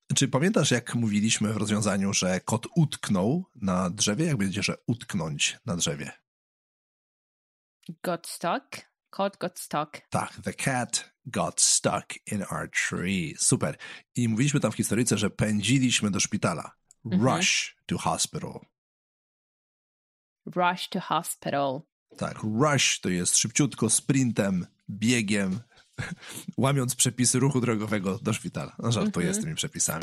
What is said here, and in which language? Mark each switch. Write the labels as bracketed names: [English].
[Polish] Czy pamiętasz, jak mówiliśmy w rozwiązaniu, że kot utknął na drzewie? Jak będzie, że utknąć na drzewie? [English] Got stuck. [Polish] Kot [English] got stuck. [Polish] Tak, [English] the cat got stuck in our tree. [Polish] Super. I mówiliśmy tam w historyjce, że pędziliśmy do szpitala. [English] Mm-hmm. Rush to hospital. Rush to hospital. [Polish] Tak, rush to jest szybciutko, sprintem, biegiem. Łamiąc przepisy ruchu drogowego do szpitala. No żartuję z tymi przepisami.